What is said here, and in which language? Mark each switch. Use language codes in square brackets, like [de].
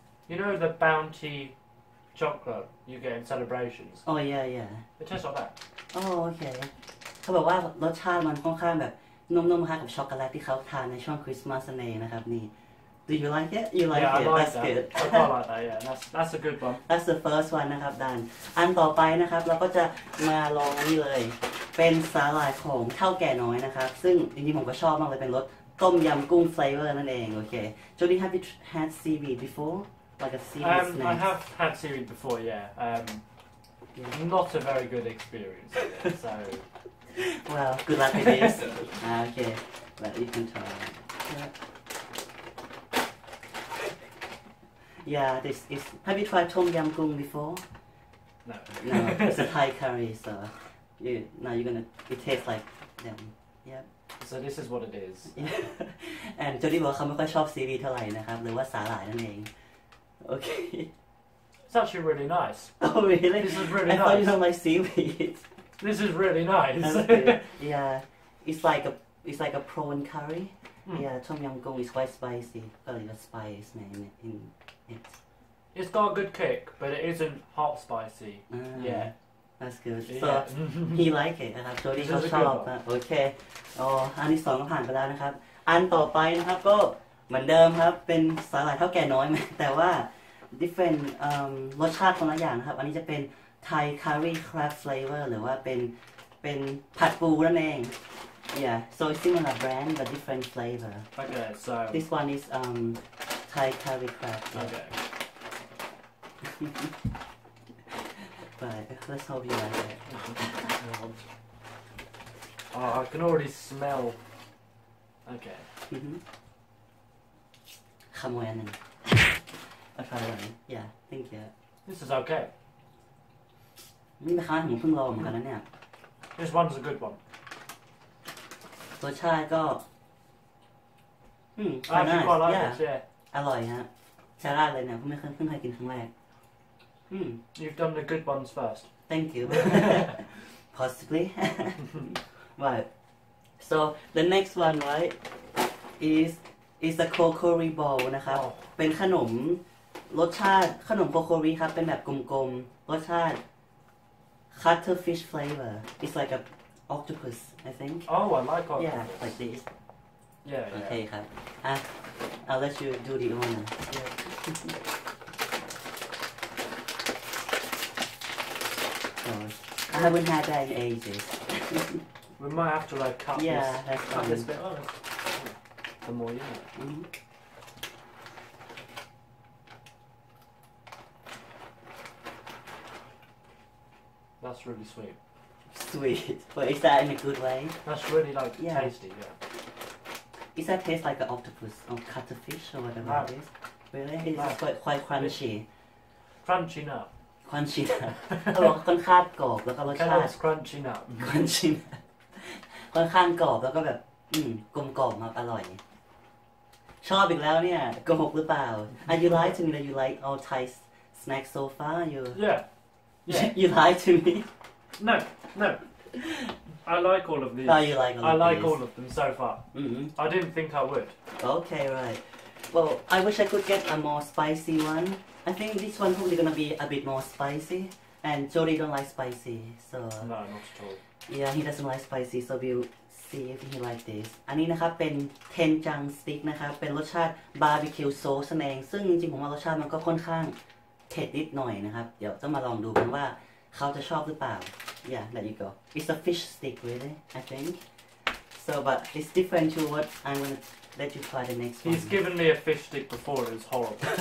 [en] You know the bounty chocolate you get in celebrations? Oh yeah, yeah. It tastes like that. Oh, okay. [th] เขาบอกว่ารสชาติมันค่อนข้างแบบนุ่มๆคล้ายกับช็อกโกแลตที่เขาทานในช่วงคริสต์มาสเลยนะครับนี่ [en] Do you like it? You like yeah, it? Like that's that. good. I like that. Yeah, that's a good one. That's the first one [th] นะครับดันอันต่อไปนะครับเราก็จะมาลองนี่เลยเป็นสาหร่ายของข้าวแก่น้อยนะครับซึ่งจริงๆผมก็ชอบมากเลยเป็นรสต้มยำกุ้งเฟลเวอร์นั่นเองโอเค [en] Jody have you had seaweed before? Like a seaweed snack? I have had seaweed before. Yeah. Not a very good experience. So. Well, good luck with this. okay, but you can try. Yeah, this is. Have you tried tom yum goong before? No. No, it's a Thai curry, so you now you're gonna. It tastes like them. Yep. So this is what it is. Yeah. [th] And Jody บอกเขาไม่ค่อยชอบซีวีเท่าไหร่นะครับหรือว่าสาหร่ายนั่นเอง Okay. [en] It's actually really nice. Oh really? This is really I nice. I thought you don't like seaweed. This is really nice. yeah, it's like a prawn curry. Mm. Yeah, tom yum goong is quite spicy. Got a little spice man in it. It's got a good kick, but it isn't hot spicy. Yeah, that's good. So he like it. [th] ครับ Jody ก็ชอบ Okay. อันที่สองก็ผ่านไปแล้วนะครับอันต่อไปนะครับก็เหมือนเดิมครับเป็นสาหร่ายเท่าแก่น้อยแต่ว่า [en] different [th] รสชาติคนละอย่างนะครับอันนี้จะเป็น [en] Thai curry crab flavor [th] หรือว่าเป็นผัดปูนั่นเอง [en] yeah so it's similar brand but different flavor okay so this one is Thai curry crab okay but let's hope you like it oh I can already smell okay [th] ขโมยอันนึง [en] I try one yeah thank you this is okay. [th] นี่นะครับผมเพิ่งลองเหมือนกันนะเนี่ย [en] This one's a good one [th] รสชาติก็ น่า อ ร่อยใช่อร่อยฮะชาลาดเลยเนี่ยเพิ่งเคยกินครั้งแรก [en] You've done the good ones first Thank you Possibly Right So the next one right is a kokori ball นะครับ oh. [th] เป็นขนมรสชาติขนมโคโคริครับเป็นแบบกลมๆรสชาติ [en] Cuttlefish flavor. It's like a octopus, I think. Oh, I like octopus. Yeah, like this. Yeah, okay, yeah. Okay, I'll let you do the honor. Yeah. Oh, I haven't had that in ages. We might have to like cut this. Cut this bit off. The more you know. Mm-hmm. That's really sweet. Sweet, but is that in a good way? That's really like tasty. Yeah. Is that taste like an octopus or cuttlefish or whatever it is? Really? It's quite crunchy. Crunchy nut. Crunchy nut. [th] Oh, ค่อนข้างกรอบแล้วก็รสชาติ [en] crunchy nut. Crunchy nut. [th] ค่อนข้างกรอบแล้วก็แบบกลมกล่อมมาอร่อยชอบอีกแล้วเนี่ยโกหกหรือเปล่า [en] Are you lying to me that you like all Thai snacks so far? Yeah. You lie to me? No. I like all of these. Oh, you like all of these. I like all of them so far. Mm-hmm. I didn't think I would. Okay, right. Well, I wish I could get a more spicy one. I think this one probably gonna be a bit more spicy. And Jordy don't like spicy, so... No, not at all. Yeah, he doesn't like spicy, so we'll see if he likes this. [th] อันนี้นะครับเป็นเทนจังสติ๊กนะครับเป็นรสชาติบาร์บีคิวโซสเองซึ่งจริงๆผมว่ารสชาติมันก็ค่อนข้างเผ็ดนิดหน่อยนะครับเดี๋ยวต้องมาลองดูกันว่าเขาจะชอบหรือเปล่า [en] Yeah, there you go. It's a fish stick, really, I think. So, but it's different to what I'm gonna let you try the next one. He's given me a fish stick before, it's horrible.